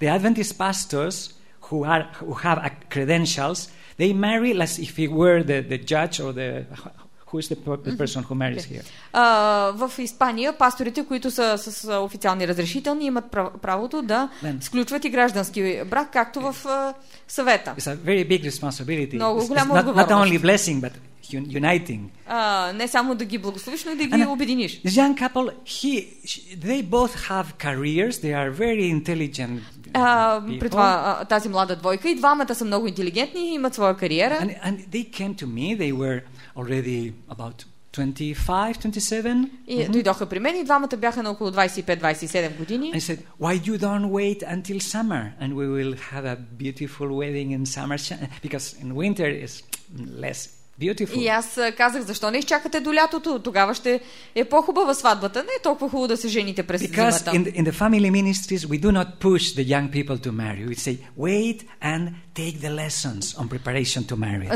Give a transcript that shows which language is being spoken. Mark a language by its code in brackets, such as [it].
[en] The Adventist pastors who have credentials, they marry as if he were the judge or the who is the person who marries here. [bg] В Испания пасторите, които са с официални разрешителни, имат правото да сключват и граждански брак, както в съвета. [en] It's a very big responsibility. [bg] Много голяма отговорност. [en] Not only blessing, but uniting. [bg] Не само да ги благословиш, но и да ги обединиш. [en] This young couple, they both have careers. They are very intelligent. [bg] При това тази млада двойка и двамата са много интелигентни и имат своя кариера. [en] And they came to me. They were already about 25, 27. [bg] И дойдоха при мен и двамата бяха на около 25-27 години. [en] And I said, why you don't wait until summer and we will have a beautiful wedding in summer, because in winter is less beautiful. [bg] И аз казах, защо не изчакате до лятото? Тогава ще е по-хубава сватбата. Не е толкова хубаво да се жените през зимата. [en] Because in the family ministries we do not push the young people to marry. We say wait and take the lessons on preparation to marriage.